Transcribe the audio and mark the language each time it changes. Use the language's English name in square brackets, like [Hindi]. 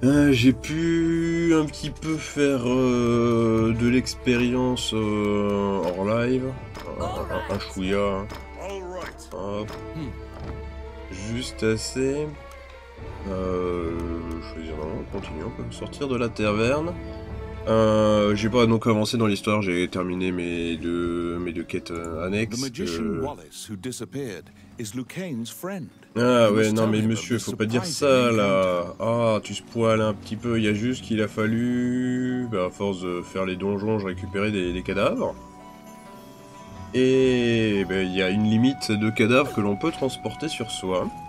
[French] J'ai pu un petit peu faire de l'expérience hors live, un chouïa, hop, juste assez. Je vais dire non, continuons comme sortir de la taverne. J'ai pas donc avancé dans l'histoire, j'ai terminé mes deux quêtes annexes. [English] The magician Wallace who disappeared is Lucane's friend. [French] Ah ouais, non mais monsieur, faut pas dire ça là. Ah, tu spoiles un petit peu, il y a juste qu'il a fallu, à force de faire les donjons, je récupérais des cadavres. Et il y a une limite de cadavres que l'on peut transporter sur soi.